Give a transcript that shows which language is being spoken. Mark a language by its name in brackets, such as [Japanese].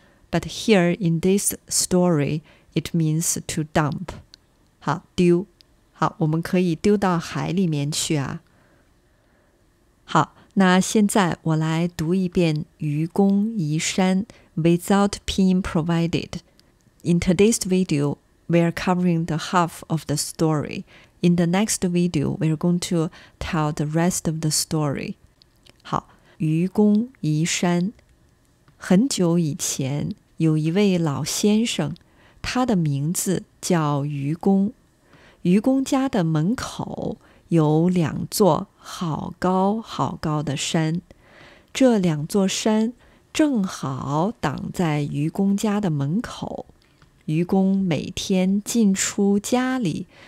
[English] But here in this story, it means to dump. [Chinese] 好，丢。好，我们可以丢到海里面去啊。好，那现在我来读一遍愚公移山 [English] without pin provided. In today's video, we are covering the half of the story. In the next video, we are going to tell the rest of the story. [Chinese] 好，愚公移山。很久以前，有一位老先生，他的名字叫愚公。愚公家的门口有两座好高好高的山，这两座山正好挡在愚公家的门口。愚公每天进出家里